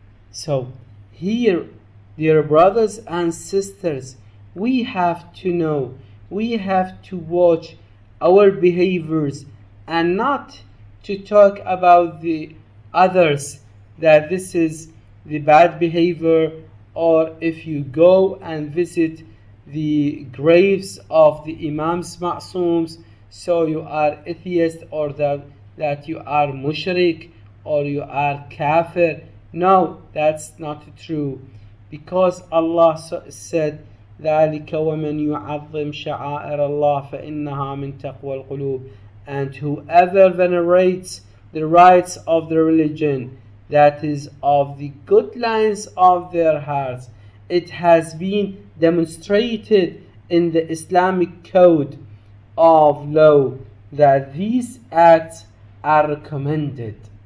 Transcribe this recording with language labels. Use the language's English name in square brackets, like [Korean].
[English] So here, dear brothers and sisters, we have to know, we have to watch our behaviors and not to talk about the others that this is the bad behavior, or if you go and visit the graves of the Imams Ma'sums, so you are atheist, or that you are mushrik, or you are kafir. No, that's not true, because Allah said, [Arabic] ذَلِكَ وَمَنْ يُعَظِّمْ شَعَائِرَ اللَّهِ فَإِنَّهَا مِنْ تَقْوَى الْقُلُوبِ. [English] And whoever venerates the rites of the religion, that is of the good lines of their hearts. It has been demonstrated in the Islamic code of law that these acts are recommended.